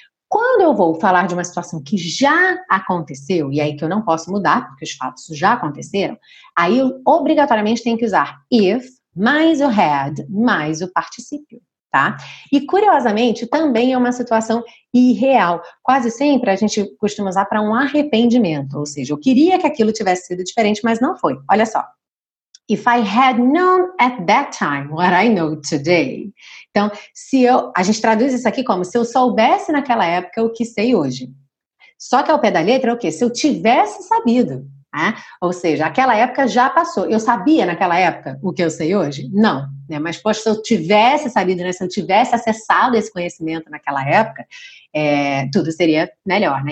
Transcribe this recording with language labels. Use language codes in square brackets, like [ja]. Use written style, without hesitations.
[pt] Quando eu vou falar de uma situação que já aconteceu, e aí que eu não posso mudar, porque os fatos já aconteceram, aí eu obrigatoriamente tenho que usar if mais o had mais o particípio, tá? E curiosamente, também é uma situação irreal. Quase sempre a gente costuma usar para um arrependimento, ou seja, eu queria que aquilo tivesse sido diferente, mas não foi. Olha só. [en] If I had known at that time what I know today. [pt] Então, se eu, a gente traduz isso aqui como se eu soubesse naquela época o que sei hoje. Só que ao pé da letra é o quê? Se eu tivesse sabido. Né? Ou seja, aquela época já passou. Eu sabia naquela época o que eu sei hoje? Não. Né? Mas, poxa, se eu tivesse sabido, né? Se eu tivesse acessado esse conhecimento naquela época, tudo seria melhor. Né?